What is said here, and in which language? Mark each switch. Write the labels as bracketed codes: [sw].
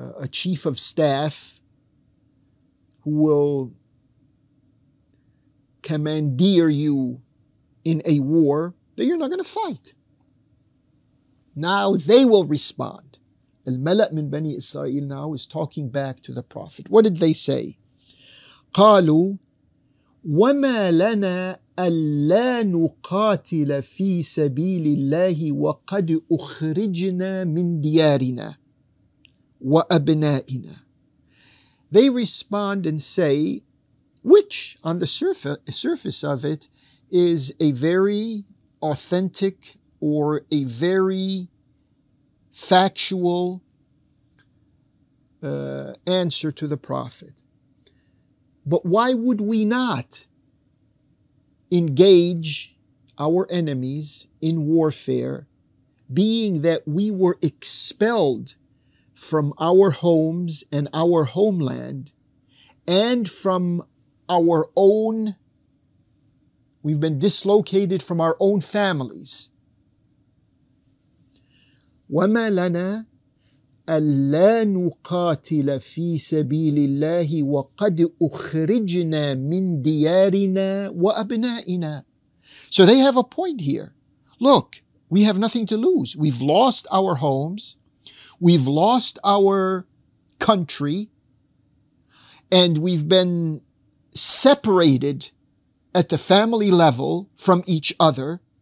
[en] chief of staff who will commandeer you in a war, that you're not going to fight. Now they will respond. Al-Mala' min Bani Israel now is talking back to the Prophet. What did they say? [ar] قالوا وما لنا ألا نقاتل في سبيل الله وقد أخرجنا من ديارنا وأبنائنا. [en] They respond and say, which on the surface of it is a very authentic or a very factual answer to the Prophet. But why would we not engage our enemies in warfare, being that we were expelled from our homes and our homeland and from our own, we've been dislocated from our own families? [ar] وما لنا ألا نقاتل في سبيل الله وقد أخرجنا من ديارنا وأبنائنا. [en] So they have a point here. Look, we have nothing to lose. We've lost our homes. We've lost our country. And we've been separated at the family level from each other.